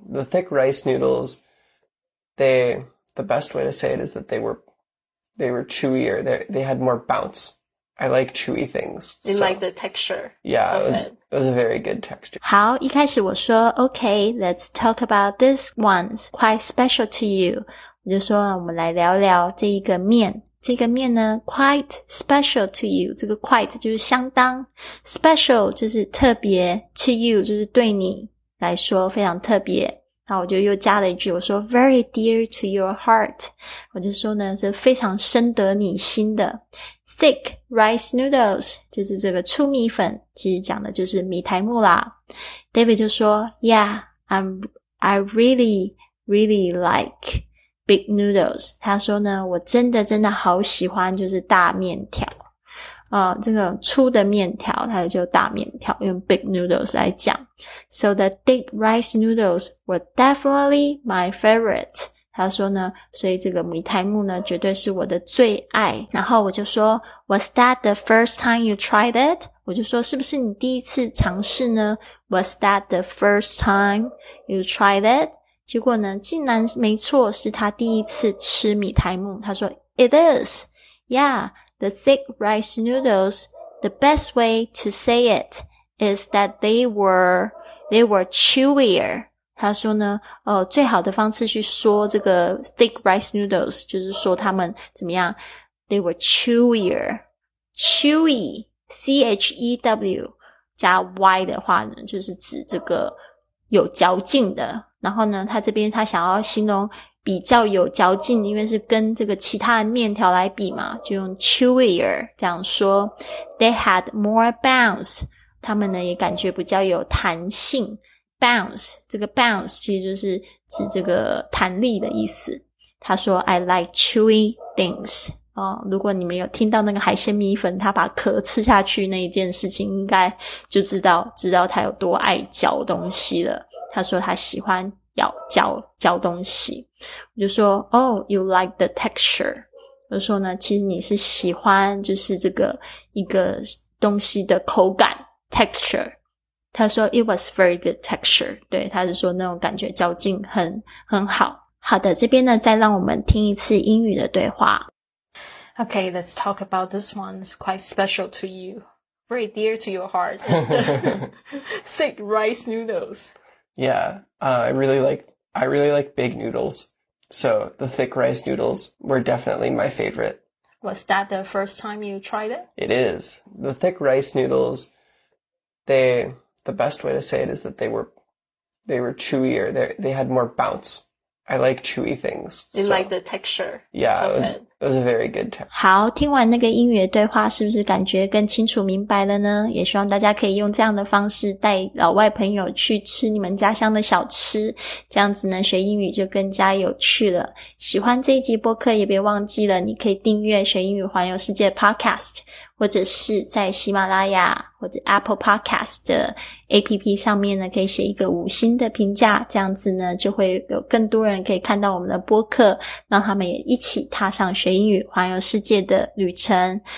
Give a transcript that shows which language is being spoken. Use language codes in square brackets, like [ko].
[en] The thick rice noodles, the best way to say it is that they were chewier. They had more bounce. I like chewy things. You like the texture. Yeah, it was a very good texture. [zh] 好，一开始我说 [en] okay, let's talk about this one. It's quite special to you. [zh] 我就说我们来聊聊这一个面。这个面呢 [en] quite special to you, [zh] 这个 quite 就是相当， special 就是特别， to you 就是对你来说非常特别。然后我就又加了一句，我说 [en] very dear to your heart, [zh] 我就说呢是非常深得你心的。 thick rice noodles 就是这个粗米粉，其实讲的就是米苔木啦。 David 就说 [en] yeah, I really really likeBig noodles, [zh] 他说呢，我真的真的好喜欢就是大面条，这个粗的面条，他就大面条，用 big noodles 来讲。 [en] So the thick rice noodles were definitely my favorite. [zh] 他说呢，所以这个米苔木呢，绝对是我的最爱。然后我就说 ， [en] Was that the first time you tried it? [zh] 我就说，是不是你第一次尝试呢 ？ [en] Was that the first time you tried it? [zh] 结果呢竟然没错，是他第一次吃米苔木。他说 [en] It is, yeah, the thick rice noodles, the best way to say it is that they were chewier. [zh] 他说呢最好的方式去说这个 thick rice noodles, 就是说他们怎么样， [en] they were chewier, [zh] chewy, C-H-E-W, 加 Y 的话呢就是指这个有嚼劲的。然后呢他这边他想要形容比较有嚼劲，因为是跟这个其他的面条来比嘛，就用 chewier 这样说。 [en] They had more bounce, [zh] 他们呢也感觉比较有弹性。 bounce, 这个 bounce 其实就是指这个弹力的意思。他说 [en] I like chewy things、 [zh] 如果你们有听到那个海鲜米粉他把壳吃下去那一件事情，应该就知道他有多爱嚼东西了。他说他喜欢嚼东西。我就说 [en] Oh, you like the texture. [zh] 我说呢其实你是喜欢就是这个一个东西的口感 texture. 他说 [en] It was very good texture. [zh] 对，他就说那种感觉嚼劲很好。好的，这边呢再让我们听一次英语的对话。 [en] Okay, let's talk about this one. It's quite special to you. Very dear to your heart. It's the thick rice noodles. Yeah, I really like big noodles. So the thick rice noodles were definitely my favorite. Was that the first time you tried it? It is. The thick rice noodles, the best way to say it is that they were chewier. They had more bounce. I like chewy things. You like the texture. Yeah, it was a very good texture. [zh] 好，听完那个英语的对话，是不是感觉更清楚明白了呢？也希望大家可以用这样的方式带老外朋友去吃你们家乡的小吃，这样子呢，学英语就更加有趣了。喜欢这一集播客，也别忘记了，你可以订阅学英语环游世界 podcast， 或者是在喜马拉雅或者 Apple Podcast 的 APP 上面呢，可以写一个五星的评价，这样子呢，就会有更多人可以看到我们的播客，让他们也一起踏上学英语环游世界的旅程。